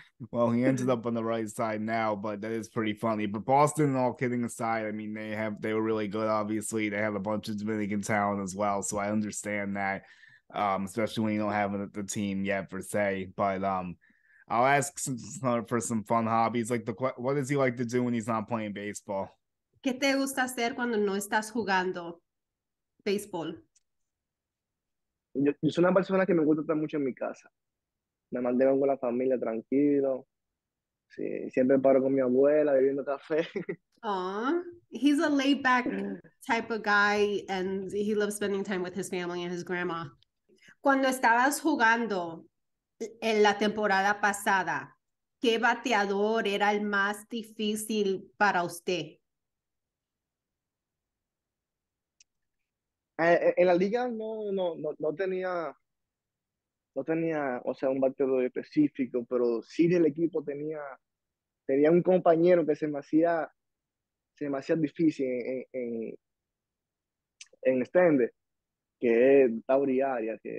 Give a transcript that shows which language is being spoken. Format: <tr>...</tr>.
<en>Well, he ended up on the right side now, but that is pretty funny. But Boston, all kidding aside, I mean, they were really good, obviously. They have a bunch of Dominican talent as well, so I understand that, especially when you don't have the team yet, per se. But I'll ask for some fun hobbies. Like, what does he like to do when he's not playing baseball?</en> <es>¿Qué te gusta hacer cuando no estás jugando baseball? Yo soy una persona que me gusta estar mucho en mi casa. Me mantengo con la familia tranquilo. Sí, siempre paro con mi abuela bebiendo café. Aww.</es> <en>He's a laid back type of guy and he loves spending time with his family and his grandma.</en> <es>Cuando estabas jugando en la temporada pasada, ¿qué bateador era el más difícil para usted? En la liga no tenía, o sea, un bateador específico, pero sí del equipo tenía un compañero que se me hacía difícil en extender, que es Tauri Arias.</es>